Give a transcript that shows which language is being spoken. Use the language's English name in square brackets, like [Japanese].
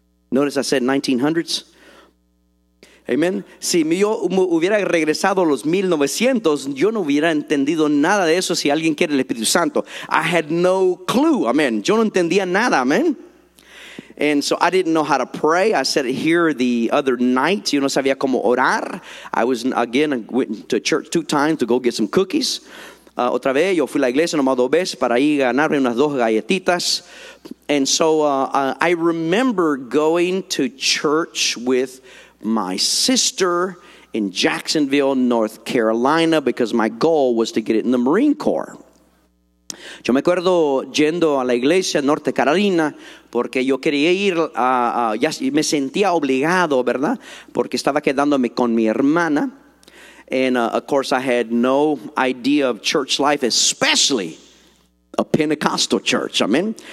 [English] Notice I said 1900s. Amen. [Spanish] Si yo hubiera regresado a los 1900, yo no hubiera entendido nada de eso si alguien quiere el Espíritu Santo. [English] I had no clue. Amen. [Spanish] Yo no entendía nada. [English] Amen. And so I didn't know how to pray. I said it here the other night. [Spanish] Yo no sabía cómo orar. [English] I went to church two times to go get some cookies. [Spanish] Otra vez, yo fui a la iglesia nomás dos veces para ir a ganarme unas dos galletitas. [English] And so I remember going to church with my sister in Jacksonville, North Carolina, because my goal was to get it in the Marine Corps. [Spanish] Yo me acuerdo yendo a la iglesia en Norte Carolina porque yo quería ir, ya me sentía obligado, ¿verdad? Porque estaba quedándome con mi hermana. [English] And of course I had no idea of church life, especially a Pentecostal church, amen.